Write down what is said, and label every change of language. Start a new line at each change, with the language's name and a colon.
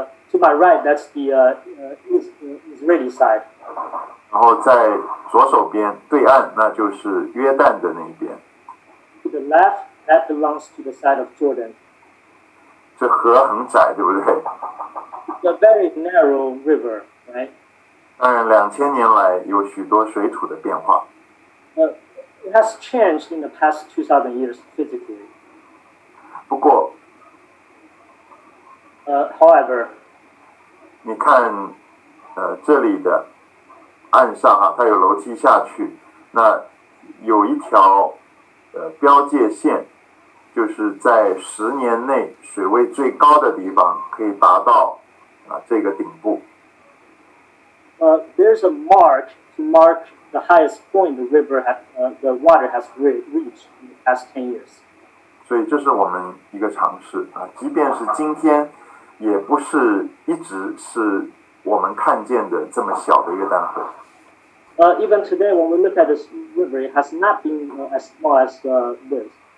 English: To my right, that's the Israeli side.
Chinese: 然后在左手边对岸，那就是约旦的那一边。
English: To the left, that belongs to the side of Jordan.
Chinese: 这河很窄，对不对？
English: It's a very narrow river, right?
Chinese: 当然，2000年来有许多水土的变化。
English: It has changed in the past 2000 years physically.
Chinese: 不过，
English: However,
Chinese: 你看，这里的岸上啊，它有楼梯下去，那有一条标界线，就是在10年内水位最高的地方可以达到这个顶部。
English: There's a mark to mark the highest point the river the water has reached in the past 10 years.
Chinese: 所以这是我们一个尝试啊，即便是今天，也不是一直是我们看见的这么小的约旦河。
English: Even today, when we look at this river, it has not been as small as this.